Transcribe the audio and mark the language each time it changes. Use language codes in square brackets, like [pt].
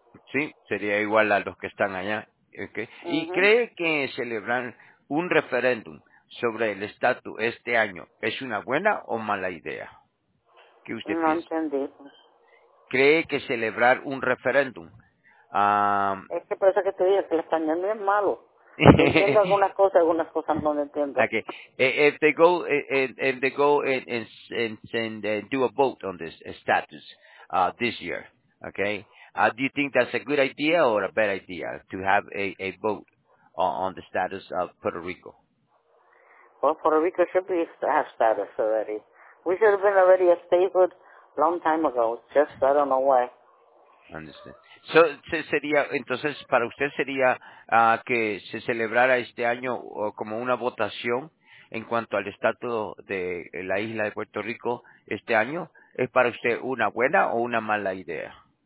[es] Sí, sería igual a los que están allá. Okay. Uh-huh. ¿Y cree que celebrar un referéndum sobre el estatus este año es una buena o mala idea? ¿Qué usted no piensa? No entendí. ¿Cree que celebrar un referéndum? Es que por eso que te digo que el español no es malo. Entiendo algunas cosas, no entiendo. [en] Okay. If they go and do a vote on this status this year, okay? Do you think that's a good idea or a bad idea to have a vote on the status of Puerto Rico? Well, Puerto Rico should be have status already. We should have been already a statehood long time ago. Just, I don't know why. Understood. [es] So, sería, entonces, para usted sería que se celebrara este año como una votación en cuanto al estatus de la isla de Puerto Rico este año. ¿Es para usted una buena o una mala idea?